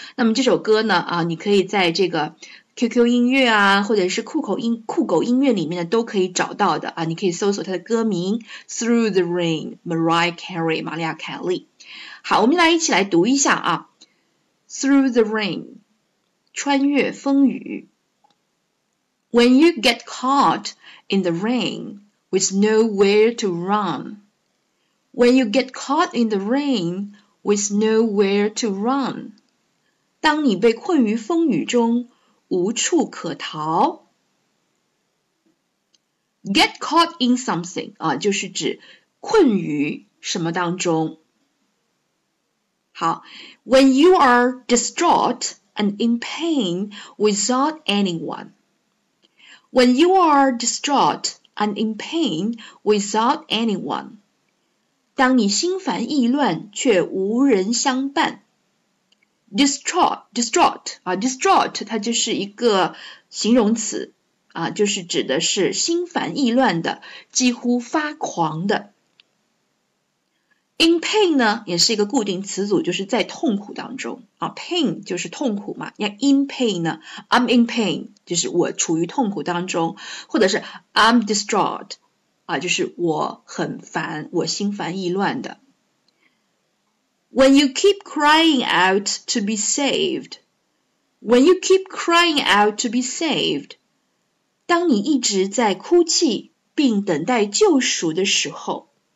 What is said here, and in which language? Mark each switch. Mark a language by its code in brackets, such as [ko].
[zh] 那么这首歌呢，啊，你可以在这个QQ 音乐啊，或者是酷狗音乐里面的都可以找到的啊，你可以搜索它的歌名《Through the Rain》，Mariah Carey，玛丽亚·凯莉。好，我们来一起来读一下啊，《Through the Rain》，穿越风雨。 [en] When you get caught in the rain with nowhere to run, when you get caught in the rain with nowhere to run， [zh] 当你被困于风雨中。无处可逃。 [en] Get caught in something [zh] 啊，就是指困于什么当中。 [en] 好，When you are distraught and in pain without anyone, when you are distraught and in pain without anyone， [zh] 当你心烦意乱却无人相伴。 distraught 它就是一个形容词啊，就是指的是心烦意乱的，几乎发狂的。 In pain 呢，也是一个固定词组，就是在痛苦当中啊。 pain 就是痛苦嘛，那 in pain 呢？ [en] I'm in pain [zh] 就是我处于痛苦当中，或者是 [en] I'm distraught [zh] 啊，就是我很烦，我心烦意乱的。 [en] When you keep crying out to be saved, when you keep crying out to be saved, [zh] 当你一直在哭泣并等待救赎的时候。